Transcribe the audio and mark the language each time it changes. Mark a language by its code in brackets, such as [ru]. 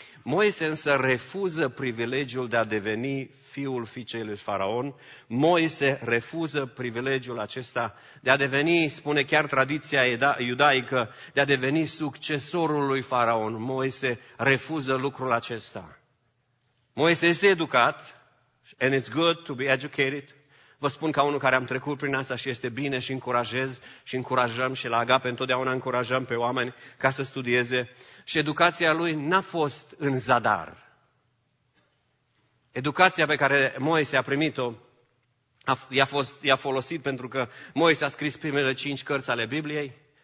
[ro] Moise însă refuză privilegiul de a deveni fiul fiicei lui Faraon. Moise refuză privilegiul acesta de a deveni, spune chiar tradiția iudaică, de a deveni succesorul lui Faraon. Moise refuză lucrul acesta. Moise este educat, [en] and it's good to be educated. [ro] Vă spun ca unul care am trecut prin asta și este bine și încurajez și încurajăm și la Agape întotdeauna încurajăm pe oameni ca să studieze. Și educația lui n-a fost în zadar. Educația pe care Moise a primit-o i-a folosit pentru că Moise a scris primele 5 cărți ale Bibliei.